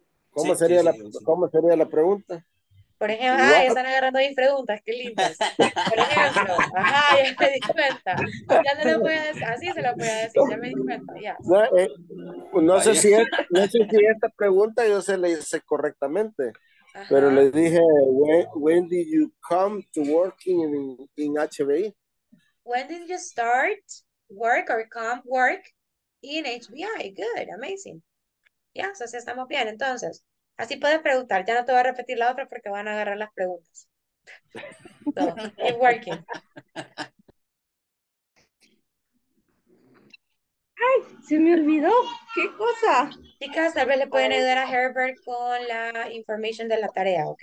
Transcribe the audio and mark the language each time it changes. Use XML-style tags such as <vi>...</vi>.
<es>¿Cómo, sí, sería sí, la, sí. ¿Cómo sería la pregunta? Por ejemplo, ay, están agarrando mis preguntas, qué lindas. Por ejemplo, ajá, ya me di cuenta. Ya no lo voy a decir, así se lo voy a decir, ya me di cuenta, ya.</es> <en>Yeah.</en> <es>No, sé si no sé si esta pregunta yo se la hice correctamente, ajá. Pero le dije,</es> <en>when did you come to working in HBI? When did you start work or come work in HBI? Good, amazing.</en> <es>Ya, yes, así estamos bien. Entonces, así puedes preguntar. Ya no te voy a repetir la otra porque van a agarrar las preguntas.</es> <en>So, keep working.</en> <es>¡Ay! ¡Se me olvidó! ¡Qué cosa! Chicas, tal vez le pueden ayudar a Herbert con la information de la tarea, ¿ok?</es>